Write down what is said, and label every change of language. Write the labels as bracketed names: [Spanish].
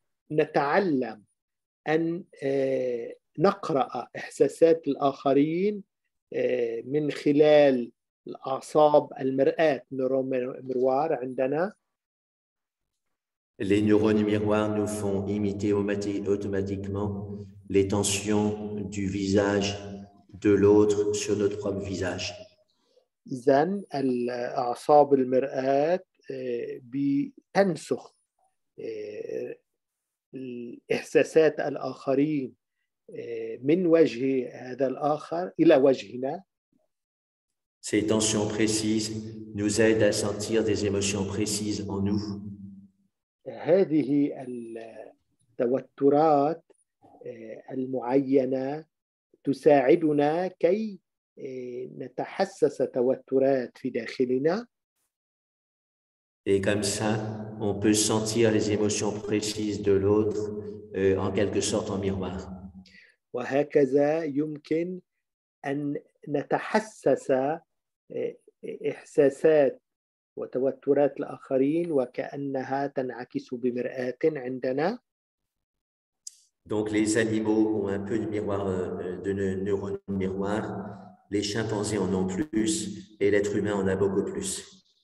[Arabic] نتعلم أن نقرأ إحساسات الآخرين من خلال الأعصاب المرآة نيرون ميروار عندنا. [French] Les neurones miroirs nous font imiter automatiquement les tensions du visage de l'autre sur notre propre visage. [Arabic] إذن الأعصاب المرآة بتنسخ الإحساسات الآخرين من وجه هذا الآخر إلى وجهنا. [French] Ces tensions précises nous aident à sentir des émotions précises en nous. [Arabic] هذه التوترات المعينة تساعدنا كي نتحسس توترات في داخلنا. [French] Et comme ça, on peut sentir les émotions précises de l'autre en quelque sorte en miroir. [Arabic] وهكذا يمكن أن نتحسس إحساسات وتوترات الآخرين وكأنها تنعكس بمرآة عندنا. [French] Donc les animaux ont un peu de miroir, de neurones miroir. Les chimpanzés en ont plus et l'être humain en a beaucoup plus.